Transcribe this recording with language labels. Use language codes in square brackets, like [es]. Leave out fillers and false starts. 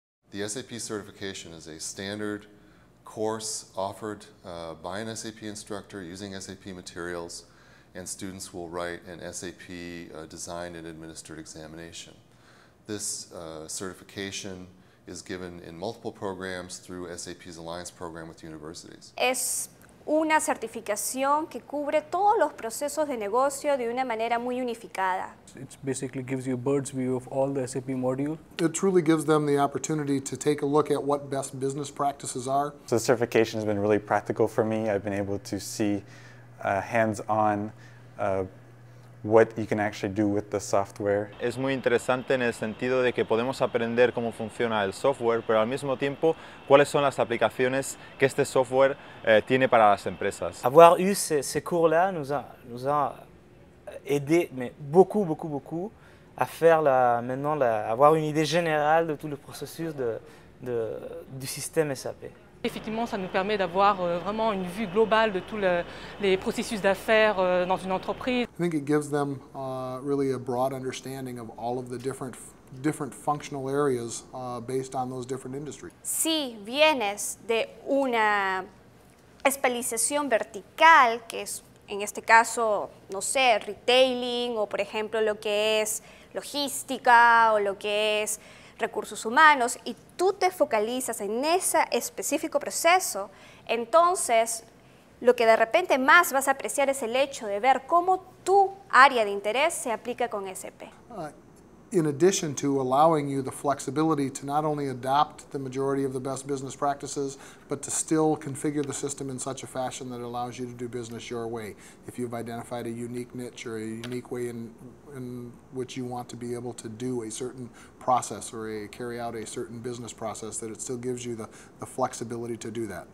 [en] The SAP certification is a standard course offered by an SAP instructor using SAP materials, and students will write an SAP designed and administered examination. This certification is given in multiple programs through SAP's alliance program with universities. [es] Es una certificación que cubre todos los procesos de negocio de una manera muy unificada. [en] It basically gives you a bird's view of all the SAP modules. It truly gives them the opportunity to take a look at what best business practices are. So the certification has been really practical for me. I've been able to see hands-on what you can actually do with the software. [es] Es muy interesante en el sentido de que podemos aprender cómo funciona el software, pero al mismo tiempo, cuáles son las aplicaciones que este software tiene para las empresas. [fr] Avoir eu ces cours-là nous a aidé, mais beaucoup, à faire la, maintenant, la, avoir une idée générale de tout le processus du système SAP. Effectivement, ça nous permet d'avoir vraiment une vue globale de tous les processus d'affaires dans une entreprise. [en] I think it gives them really a broad understanding of all of the different functional areas based on those different industries. [es] Si vienes de una especialización vertical, que es en este caso, no sé, retailing, o por ejemplo lo que es logística, o lo que es recursos humanos, y tú te focalizas en ese específico proceso, entonces lo que de repente más vas a apreciar es el hecho de ver cómo tu área de interés se aplica con SAP. [en] In addition to allowing you the flexibility to not only adopt the majority of the best business practices, but to still configure the system in such a fashion that allows you to do business your way. If you've identified a unique niche or a unique way in which you want to be able to do a certain process or carry out a certain business process, that it still gives you the flexibility to do that.